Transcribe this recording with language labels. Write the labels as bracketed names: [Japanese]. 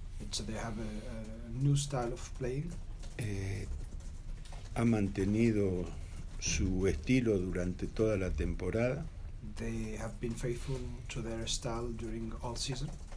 [English] So they have a new style of playing. [Spanish] Ha mantenido su estilo durante toda la temporada. [English] They have been faithful to their style during all season.